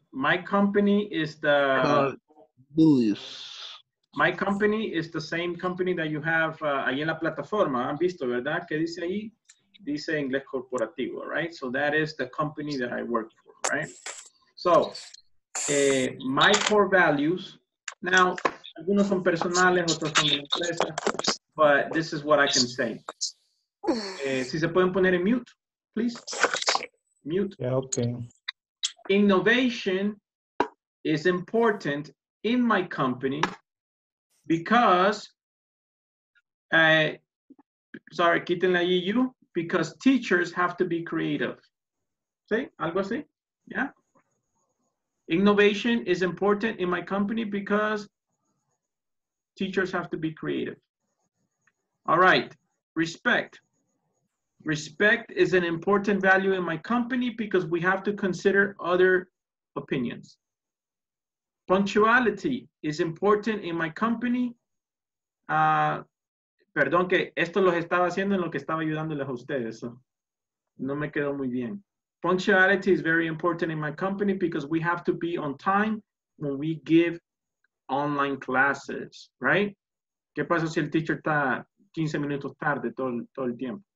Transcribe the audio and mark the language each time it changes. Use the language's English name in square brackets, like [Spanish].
[English] My company is the Julius. My company is the same company that you have [Spanish] ahí en la plataforma. ¿Han visto, verdad? ¿Qué dice ahí? Dice inglés corporativo, right? [English] So that is the company that I work for, right? So, my core values. [Spanish] Now, algunos son personales, otros son de la empresa. [English] But this is what I can say. [Spanish] Si se pueden poner en mute, [English] please. Mute. Yeah, okay. Innovation is important in my company. Because, sorry, [Spanish] quítenle allí [English] you, because teachers have to be creative. [Spanish] ¿Sí? ¿Algo así? [English] Yeah. Innovation is important in my company because teachers have to be creative. All right. Respect. Respect is an important value in my company because we have to consider other opinions. Punctuality is important in my company. [Spanish] Perdón que esto los estaba haciendo en lo que estaba ayudándoles a ustedes. So. No me quedó muy bien. [English] Punctuality is very important in my company because we have to be on time when we give online classes, right? [Spanish] ¿Qué pasa si el teacher está 15 minutos tarde todo el tiempo?